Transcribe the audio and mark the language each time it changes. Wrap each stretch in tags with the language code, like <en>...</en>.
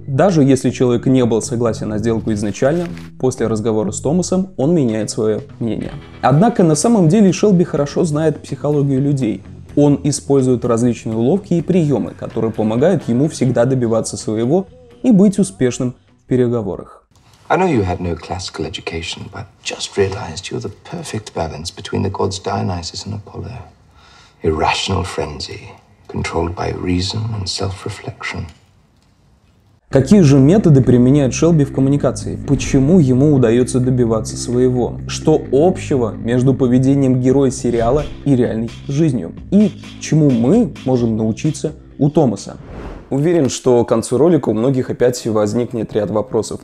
<ru>Даже если человек не был согласен на сделку изначально, после разговора с Томасом он меняет свое мнение. Однако на самом деле Шелби хорошо знает психологию людей. Он использует различные уловки и приемы, которые помогают ему всегда добиваться своего и быть успешным в переговорах.</ru> <en>I know you had no classical education, but just realized you're the perfect balance between the gods Dionysus and Apollo. Irrational frenzy, controlled by reason and self-reflection.</en> <ru>Какие же методы применяет Шелби в коммуникации? Почему ему удается добиваться своего? Что общего между поведением героя сериала и реальной жизнью? И чему мы можем научиться у Томаса? Уверен, что к концу ролика у многих опять возникнет ряд вопросов.</ru>